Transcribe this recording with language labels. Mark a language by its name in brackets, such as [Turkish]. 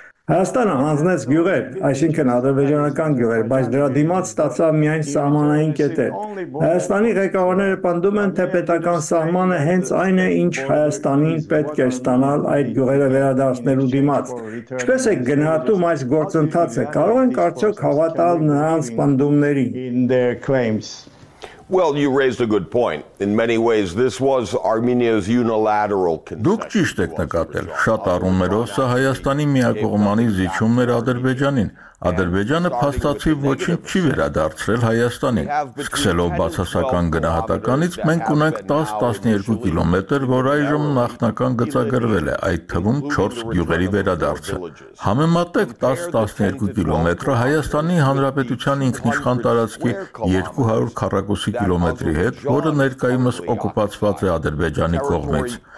[Armenian] Հայաստանը հանձնեց գյուղեր, այսինքն ադրբեջանական գյուղեր, բայց դրա դիմաց ստացավ միայն սահմանային կետեր։ Հայաստանի ղեկավարները պնդում են, թե պետական սահմանը հենց այն է, ինչ Հայաստանին պետք է ստանալ այդ գյուղերը վերադարձնելու դիմաց։ Ինչպես եք գնահատում այս գործընթացը, կարող ենք արդյոք հավատալ նրանց պնդումներին։ [English] Well, you raised a good point. In many ways, this was Armenia's unilateral concession. [Armenian] Դուք ճիշտ եք նկատել, շատ առումներով սա Հայաստանի միակողմանի զիջումն էր Ադրբեջանին։ Ադրբեջանը փաստացի ոչինչ չի վերադարձրել Հայաստանին։ Սկսելով բացասական գնահատականից, մենք ունենք 10-12 կիլոմետր, որ այժմ նախնական գծագրվել է, այդ թվում 4 գյուղերի վերադարձը։ Համեմատեք 10-12 կիլոմետրը Հայաստանի Հանրապետության ինքնիշխան տարածքի 200 քառակուսի կիլոմետրի հետ, որը ներկայումս օկուպացված է Ադրբեջանի կողմից։